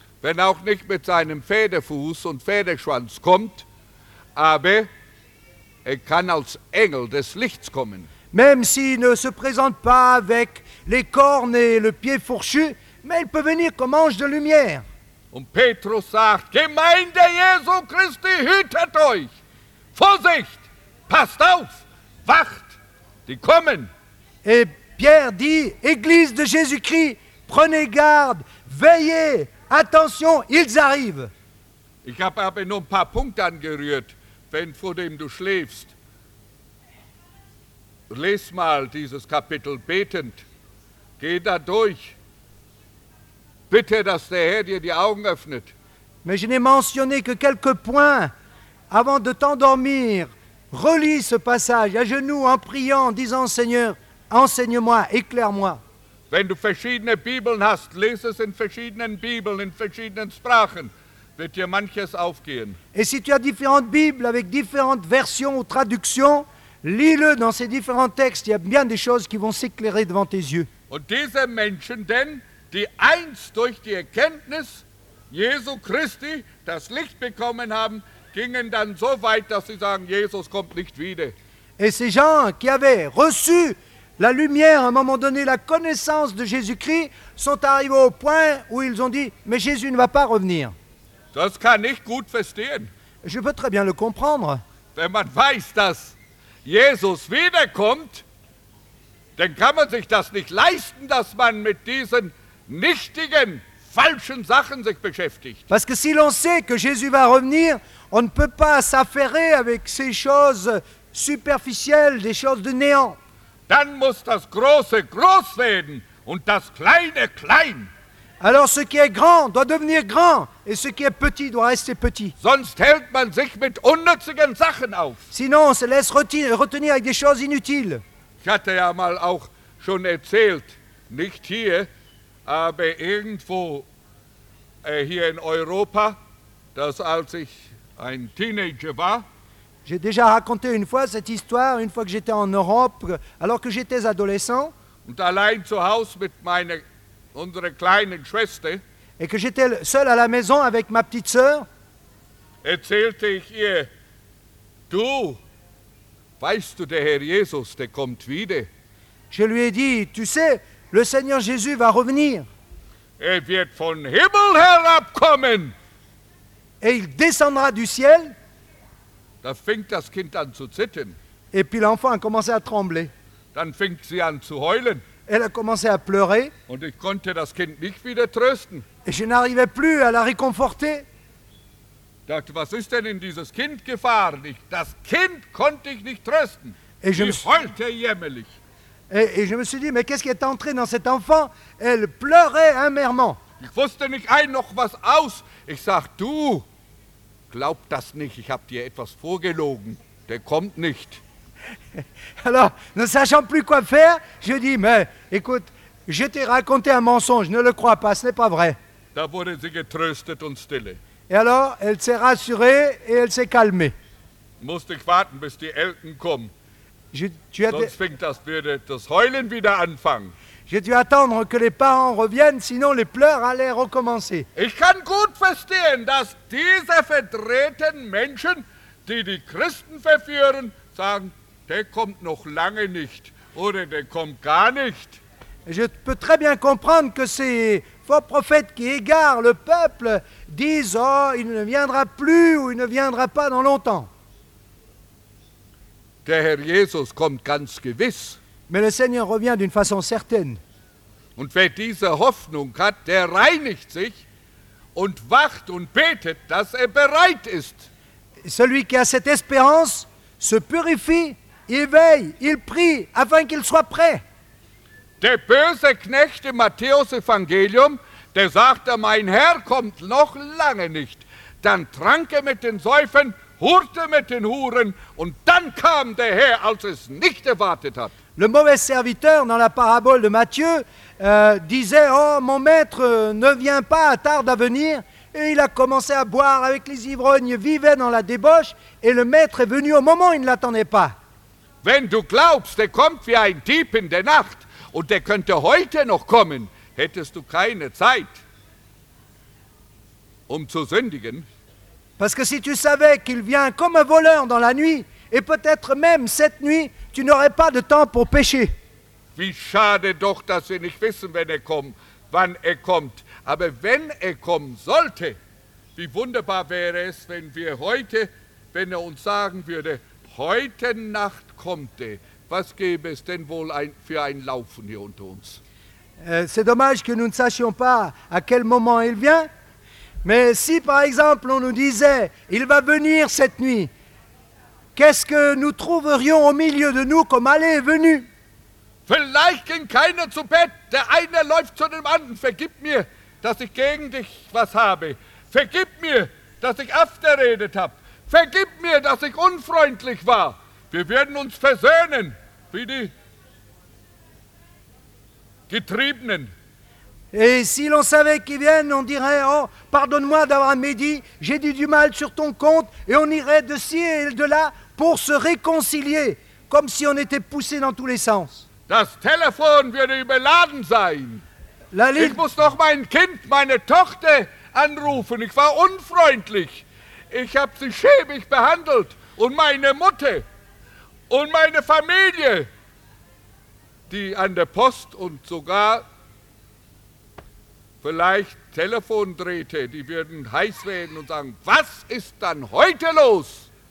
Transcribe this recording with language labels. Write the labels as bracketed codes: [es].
[de] Wenn auch nicht mit seinem Pferdefuß und Pferdeschwanz kommt, aber er kann als Engel des Lichts kommen. [fr] Même s'il ne se présente pas avec les cornes et le pied fourchu, mais il peut venir comme ange de lumière. [de] Und Petrus sagt, Gemeinde Jesu Christi, hütet euch! Vorsicht! Passt auf! Wacht! Die kommen! [fr] Et Pierre dit, Église de Jésus-Christ, prenez garde, veillez, attention, ils arrivent! [de] Ich habe aber nur ein paar Punkte angerührt, wenn vor dem du schläfst. Lies mal dieses Kapitel betend. Geh da durch. Bitte, dass der Herr dir die Augen öffnet. [fr] Mais je n'ai mentionné que quelques points avant de t'endormir. Relis ce passage à genoux en priant, disant Seigneur, enseigne-moi, éclaire-moi. [de] Wenn du verschiedene Bibeln hast, lies es in verschiedenen Bibeln, in verschiedenen Sprachen, wird dir manches aufgehen. [fr] Et si tu as différentes Bibles avec différentes versions ou traductions, lis-le dans ces différents textes, il y a bien des choses qui vont s'éclairer devant tes yeux. [de] Und diese Menschen denn, die einst durch die Erkenntnis Jesu Christi das Licht bekommen haben, gingen dann so weit, dass sie sagen, Jesus kommt nicht wieder. [fr] Et ces gens qui avaient reçu la lumière, à un moment donné, la connaissance de Jésus-Christ, sont arrivés au point où ils ont dit, mais Jésus ne va pas revenir. [de] Das kann ich gut verstehen. [fr] Je peux très bien le comprendre. [de] Wenn man weiß, dass Jesus wiederkommt, dann kann man sich das nicht leisten, dass man mit diesen nichtigen, falschen Sachen sich beschäftigt. [fr] Parce que si l'on sait que Jésus va revenir, on ne peut pas s'affairer avec ces choses superficielles, des choses de néant. [de] Dann muss das Große groß werden und das Kleine klein. [fr] Alors ce qui est grand doit devenir grand et ce qui est petit doit rester petit. [de] Sonst hält man sich mit unnützigen Sachen auf. [fr] Sinon, on se laisse retenir avec des choses inutiles. [de] Ich hatte ja mal auch schon erzählt, nicht hier, aber irgendwo hier in Europa, dass als ich ein Teenager war. [fr] J'ai déjà raconté une fois cette histoire, une fois que j'étais en Europe, alors que j'étais adolescent. [de] Und allein zu Hause mit meiner unsere kleine Schwester. [fr] Et que j'étais seul à la maison avec ma petite sœur. [de] Erzählte ich ihr, du, Weißt du, der Herr Jesus, der kommt wieder. [fr] Je lui ai dit, tu sais, le Seigneur Jésus va revenir. [de] Er wird von Himmel herabkommen. [fr] Et il descendra du ciel. [de] Da fängt das Kind an zu zittern. [fr] Et puis l'enfant a commencé à trembler. [de] Dann fängt sie an zu heulen. [fr] Elle a commencé à pleurer. [de] Und ich konnte das Kind nicht wieder trösten. [fr] Et je n'arrivais plus à la réconforter. [de] Dachte, was ist denn in dieses Kind gefahren? Ich, das Kind konnte ich nicht trösten. [fr] Et je [de] heulte jämmerlich. [fr] Et je me suis dit, mais qu'est-ce qui est entré dans cet enfant? Elle pleurait amèrement. [de] Ich wusste nicht ein noch was aus. Ich sag, du, glaub das nicht. Ich hab dir etwas vorgelogen. Der kommt nicht. [fr] Alors, ne sachant plus quoi faire, je dis, mais écoute, je t'ai raconté un mensonge. Ne le crois pas, ce n'est pas vrai. [de] Da wurde sie getröstet und stille. [fr] Et alors, elle s'est rassurée et elle s'est calmée. [de] Musste ich warten, bis die Eltern kommen. [fr] J'ai dû attendre que les parents reviennent, sinon les pleurs allaient recommencer. [de] Ich kann gut verstehen, dass diese verdrehten Menschen, die die Christen verführen, sagen, der kommt noch lange nicht oder der kommt gar nicht. [fr] Je peux très bien comprendre que ces faux prophètes qui égarent le peuple disent, oh, il ne viendra plus ou il ne viendra pas dans longtemps. [de] Der Herr Jesus kommt ganz gewiss. [fr] Mais le Seigneur revient d'une façon certaine. [de] Und wer diese Hoffnung hat, der reinigt sich und wacht und betet, dass er bereit ist. [fr] Celui qui a cette espérance se purifie, il veille, il prie, afin qu'il soit prêt. [de] Der böse Knecht im Matthäus-Evangelium, der sagte, mein Herr kommt noch lange nicht. Dann trank er mit den Säufern, hurte mit den Huren und dann kam der Herr, als es nicht erwartet hat. [fr] Le mauvais serviteur dans la parabole de Matthieu disait, oh, mon maître ne vient pas, tarde à venir. Et il a commencé à boire avec les ivrognes, vivait dans la débauche et le maître est venu au moment où il ne l'attendait pas. [de] Wenn du glaubst, er kommt wie ein Dieb in der Nacht und er könnte heute noch kommen, hättest du keine Zeit, zu sündigen. [fr] Parce que si tu savais qu'il vient comme un voleur dans la nuit, et peut-être même cette nuit, tu n'aurais pas de temps pour pécher. [de] Wie schade doch, dass wir nicht wissen, wenn kommt, wann kommt. Aber wenn kommen sollte, wie wunderbar wäre es, wenn wir heute, wenn uns sagen würde, heute Nacht kommt was gäbe es denn wohl für ein Laufen hier unter uns? [fr] C'est dommage que nous ne sachions pas à quel moment il vient. Mais si, par exemple, on nous disait, il va venir cette nuit, qu'est-ce que nous trouverions au milieu de nous comme aller et venu? [de] Vielleicht ging keiner zu Bett. Der eine läuft zu dem anderen. Vergib mir, dass ich gegen dich was habe. Vergib mir, dass ich abgeredet habe. Vergib mir, dass ich unfreundlich war. Wir werden uns versöhnen, wie die Getriebenen. [fr] Et si l'on savait qu'ils viennent, on dirait, oh, pardonne-moi d'avoir médit, j'ai dit du mal sur ton compte, et on irait de ci et de là pour se réconcilier, comme si on était poussé dans tous les sens. [de] Das Telefon wird überladen sein. Ich muss noch mein Kind, meine Tochter anrufen. Ich war unfreundlich. Ich habe sie schäbig behandelt. Und meine Mutter und meine Familie, die an der Post und sogar vielleicht Telefondrähte, die würden heiß werden und sagen, was ist dann heute los?